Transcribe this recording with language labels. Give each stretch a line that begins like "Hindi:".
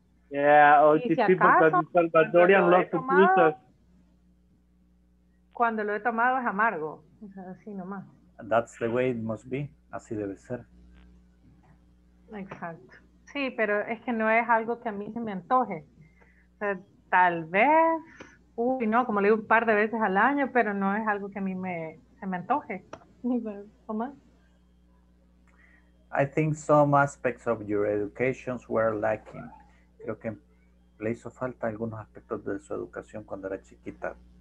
English: Yeah, all these people that are Salvadorian love pupusa.
Spanish: Cuando lo he tomado es amargo, así nomás.
English: That's the way it must be,
Spanish: así debe ser. Exacto. Sí, pero es que no es algo que a mí se me antoje. O sea, tal vez, uy no, como le digo un par de veces al año, pero no es algo que a mí se me antoje.
English: I think some aspects of your education were lacking.
Spanish: Creo que le hizo falta algunos aspectos de su educación cuando era chiquita.